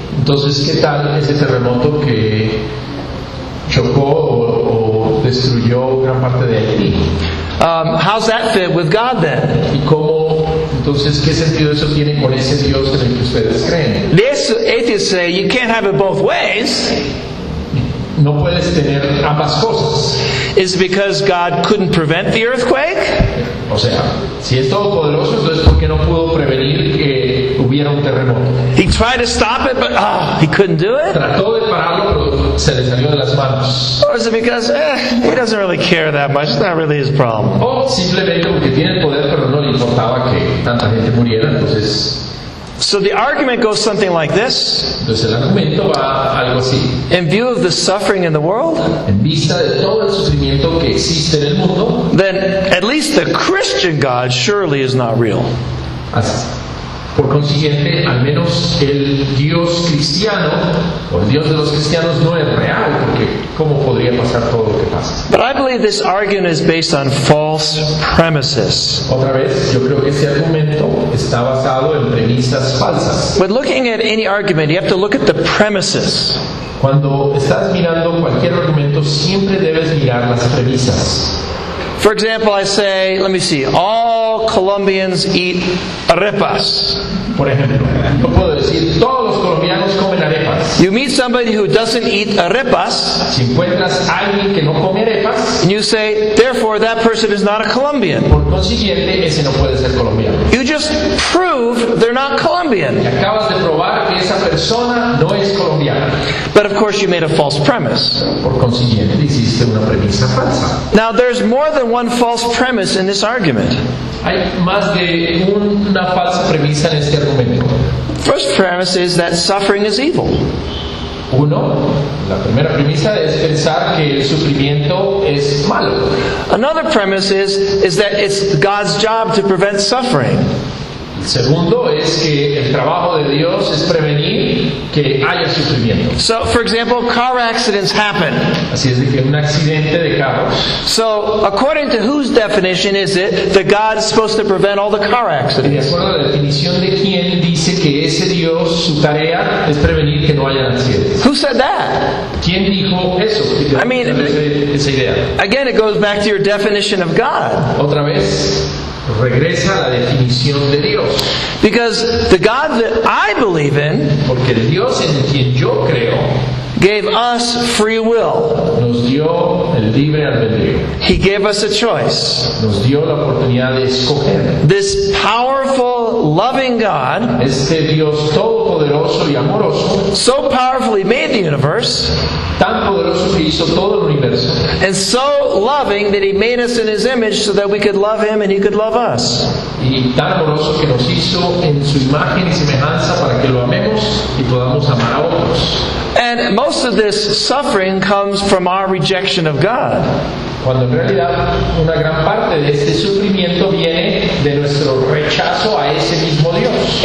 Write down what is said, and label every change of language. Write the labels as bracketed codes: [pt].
[es] Entonces, ¿qué tal ese terremoto que chocó o destruyó gran parte de Haití? [en] How's that fit with God then? [es] ¿Y cómo, entonces, qué sentido eso tiene con ese Dios en el que ustedes creen? [en] The atheists say you can't have it both ways. [es] No puedes tener ambas cosas. [en] Is it because God couldn't prevent the earthquake? [es] O sea, si es todopoderoso, entonces ¿por qué no pudo prevenir que hubiera un terremoto? [en] He tried to stop it, but he couldn't do it. [es] Trató de pararlo, pero se le salió de las manos. [en] Or is it because he doesn't really care that much? It's not really his problem. [es] O simplemente porque tiene el poder, pero no le importaba que tanta gente muriera, entonces. [en] So the argument goes something like this. [es] Entonces, el argumento va algo así. [en] In view of the suffering in the world, [es] en vista de todo el sufrimiento que existe en el mundo, [en] then at least the Christian God surely is not real. [es] Así. Por consiguiente, al menos el Dios cristiano o el Dios de los cristianos no es real, porque ¿cómo podría pasar todo lo que pasa? [en] But I believe this argument is based on false premises. [es] Otra vez, yo creo que ese argumento está basado en premisas falsas. [en] When looking at any argument, you have to look at the premises. [es] Cuando estás mirando cualquier argumento, siempre debes mirar las premisas. [en] For example, I say, let me see, all Colombians eat arepas. [es] Por ejemplo, yo puedo decir, todos los colombianos comen arepas. [en] You meet somebody who doesn't eat arepas, [es] si encuentras alguien que no come arepas, [en] and you say, therefore, that person is not a Colombian. [es] Por consiguiente, ese no puede ser colombiano. [en] You just prove they're not Colombian. [es] Y acabas de probar que esa persona no es colombiana. [en] But of course, you made a false premise. [es] Por consiguiente, hiciste una premisa falsa. [en] Now, there's more than one false premise in this argument. [es] Hay más de una falsa premisa en este argumento. [en] First premise is that suffering is evil. [es] Uno, la primera premisa es pensar que el sufrimiento es malo. [en] Another premise is that it's God's job to prevent suffering. [es] El segundo es que el trabajo de Dios es prevenir que haya sufrimiento. [en] So, for example, car accidents happen. [es] Así es, que un accidente de carros. [en] So, according to whose definition is it that God is supposed to prevent all the car accidents? [es] De acuerdo a la definición de quién dice que ese Dios, su tarea es prevenir que no haya accidentes. [en] Who said that? [es] ¿Quién dijo eso? [en] I mean, [es] esa idea. [en] Again, it goes back to your definition of God. [es] Otra vez. Regresa a la definición de Dios. [en] Because the God that I believe in, [es] porque el Dios en quien yo creo, [en] gave us free will. [es] Nos dio el libre albedrío. [en] He gave us a choice. [es] Nos dio la oportunidad de escoger. [en] This powerful, loving God, [es] este Dios todopoderoso y amoroso, [en] so powerfully made the universe, [es] tan poderoso que hizo todo el universo, [en] and so loving that he made us in his image so that we could love him and he could love us. [es] Y tan amoroso que nos hizo en su imagen y semejanza para que lo amemos y podamos amar a otros. [en] And most of this suffering comes from our rejection of God. [es] Cuando en realidad una gran parte de este sufrimiento viene de nuestro rechazo a ese mismo Dios.